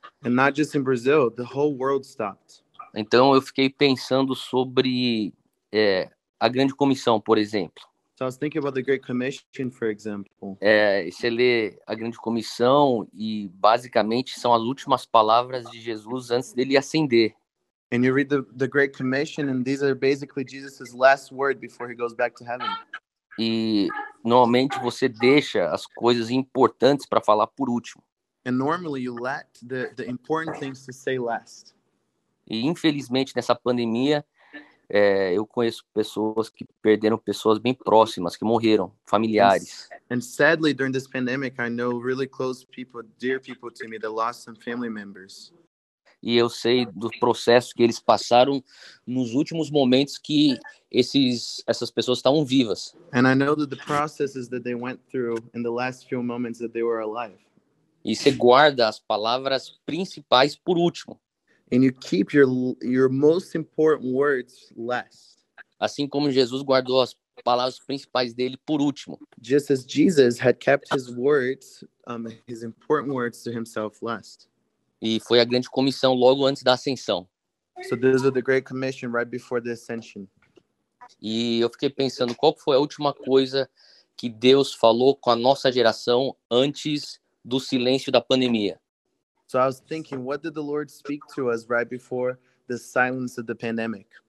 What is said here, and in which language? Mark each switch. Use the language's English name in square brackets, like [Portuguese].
[English] And not just in Brazil, the whole world stopped. [Portuguese] Então eu fiquei pensando sobre a Grande Comissão, por exemplo. [English] So I was thinking about the Great Commission, for example. [Portuguese] Você lê a Grande Comissão e basicamente são as últimas palavras de Jesus antes dele ascender. [English] And you read the Great Commission and these are basically Jesus's last word before he goes back to heaven. [Portuguese] E normalmente você deixa as coisas importantes para falar por último. [English] And normally you let the important things to say last. [Portuguese] E infelizmente nessa pandemia, eu conheço pessoas que perderam pessoas bem próximas, que morreram, familiares. [English] And sadly, during this pandemic, I know really close people, dear people to me, that lost some family members. [Portuguese] E eu sei do processo que eles passaram nos últimos momentos que essas pessoas estavam vivas. [English] And I know that the processes that they went through in the last few moments that they were alive. [Portuguese] E você guarda as palavras principais por último. [English] And you keep your most important words last. [Portuguese] Assim como Jesus guardou as palavras principais dele por último. [English] Just as Jesus had kept his words, his important words to himself last. [Portuguese] E foi a Grande Comissão logo antes da ascensão. [English] So this was the Great Commission right before the ascension. [Portuguese] E eu fiquei pensando qual foi a última coisa que Deus falou com a nossa geração antes do silêncio da pandemia. [English] So I was thinking, what did the Lord speak to us right before the silence of the pandemic?